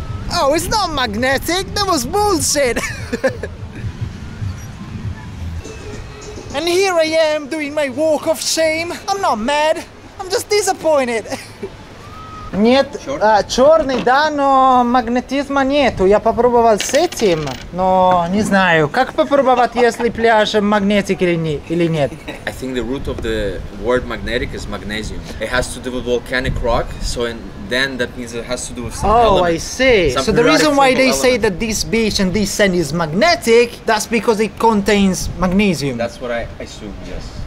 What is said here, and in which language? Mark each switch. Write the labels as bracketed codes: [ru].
[en] No, it's not magnetic, that was bullshit! And here I am doing my walk of shame. I'm not mad, I'm just disappointed. [ru] Нет, черный, да, но магнетизма нету. Я попробовал с этим, но не знаю, как попробовать, если пляж магнетик или нет. [en] I think the root of the word magnetic is magnesium. It has to do with volcanic rock, so in then that means it has to do with some oh, element. I see. Some so the reason why they element. Say that this beach and this sand is magnetic, that's because it contains magnesium. That's what I assume, yes.